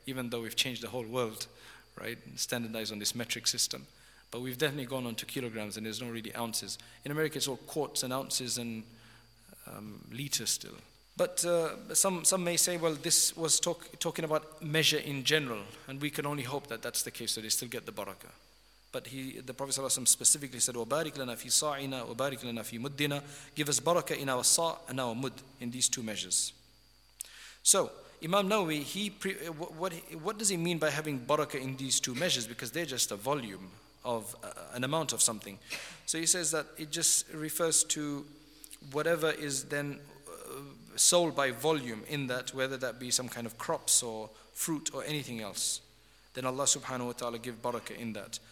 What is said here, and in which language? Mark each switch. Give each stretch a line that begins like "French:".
English: Even though we've changed the whole world, right? Standardized on this metric system. But we've definitely gone on to kilograms and there's no really ounces. In America, it's all quarts and ounces and liters still. But some may say, well, this was talking about measure in general, and we can only hope that that's the case, so they still get the barakah. But the Prophet ﷺ specifically said,
Arabic: وَبَارِكْ لَنَا فِي صَاعِنَا وَبَارِكْ لَنَا فِي مُدِّنَا.
English: Give us barakah in our sa' and our mud, in these two measures. So, Imam Nawawi, what does he mean by having barakah in these two measures? Because they're just a volume of an amount of something. So he says that it just refers to whatever is then sold by volume in that, whether that be some kind of crops or fruit or anything else, then Allah subhanahu wa ta'ala give barakah in that.